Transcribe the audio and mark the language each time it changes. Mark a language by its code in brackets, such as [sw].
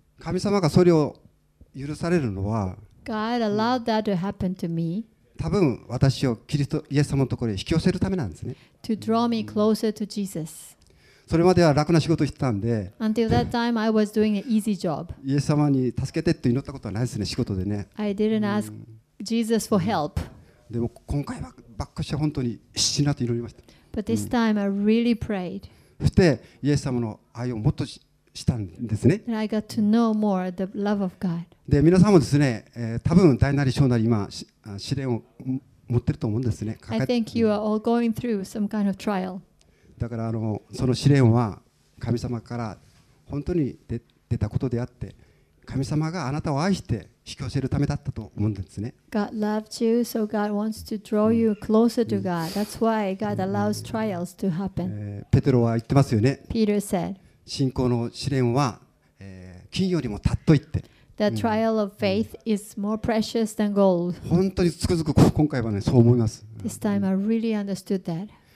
[ja] 神様がそれを許されるのは、 [en] God allowed that to happen to me. [ja] 多分私をキリストイエス様のところに引き寄せるためなんですね。 [en] To draw me closer to Jesus. [ja] それまでは楽な仕事をしてたんで、 [en] Until that time, I was doing an easy job. [ja] イエス様に助けてって祈ったことはないですね、仕事でね。 [en] I didn't ask Jesus for help. [ja] でも今回はバックして本当に必死になって祈りました。 [en] But this time, I really prayed. [ja] そしてイエス様の愛をもっと知ったんですね。 [en] I got to know more the love of God. [ja] で皆さんもですね、多分大なり小なり今試練を持ってると思うんですね。 [en] I think you are all going through some kind of trial. [ja] だからその試練は神様から本当に出たことであって、神様があなたを愛して引き寄せるためだったと思うんですね。 [en] God loved you, so God wants to draw you closer to God. That's why God allows trials to happen. [ja] ペテロは言ってますよね。 [en] Peter said, [ja] 信仰の試練は、金よりも尊いって。 [en] The trial of faith is more precious than gold. [ja] 本当につくづく今回はね、そう思います。 [en] This time I really understood that.